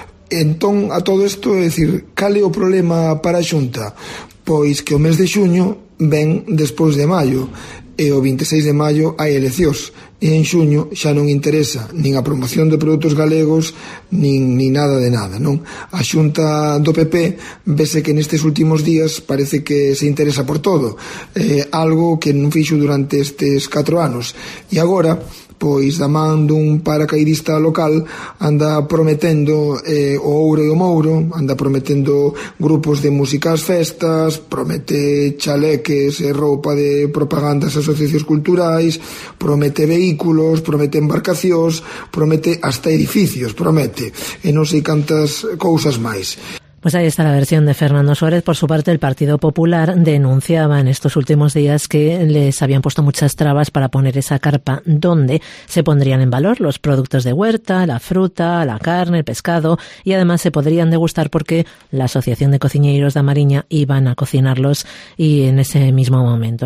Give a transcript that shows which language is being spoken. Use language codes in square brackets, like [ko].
[gl] Entón, a todo isto, é dicir, cal é o problema para a Xunta? Pois que o mes de xuño ven despois de maio, e o 26 de maio hai eleccións, e en xuño xa non interesa nin a promoción de produtos galegos nin nada de nada, non? A Xunta do PP vese que nestes últimos días parece que se interesa por todo, algo que non fixo durante estes 4 anos, e agora, pois da man dun paracaidista local, anda prometendo o ouro e o mouro, anda prometendo grupos de músicas festas, promete chaleques e roupa de propagandas asociacións culturais, promete vehículos, promete embarcacións, promete hasta edificios, promete, e non sei cantas cousas máis. [es] Pues ahí está la versión de Fernando Suárez. Por su parte, el Partido Popular denunciaba en estos últimos días que les habían puesto muchas trabas para poner esa carpa donde se pondrían en valor los productos de huerta, la fruta, la carne, el pescado, y además se podrían degustar porque la Asociación de Cociñeiros de Amariña iban a cocinarlos y en ese mismo momento.